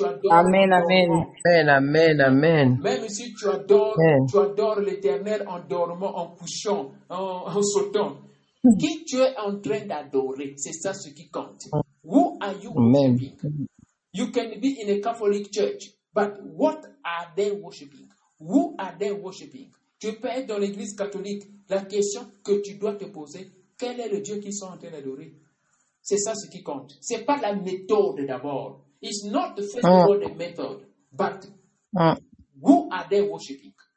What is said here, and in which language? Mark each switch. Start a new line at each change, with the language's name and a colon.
French: Même si tu adores, tu adores l'Éternel en dormant, en couchant, en sautant. Qui tu es en train d'adorer, c'est ça ce qui compte.
English: Who are you worshiping? You can be in a Catholic church, but what are they worshiping? Who are they worshiping?
French: Tu peux être dans l'église catholique. La question que tu dois te poser: quel est le Dieu qu'ils sont en train d'adorer? C'est ça ce qui compte. Ce n'est pas la méthode d'abord.
English: It's not the first of all the method, but who are they worshiping?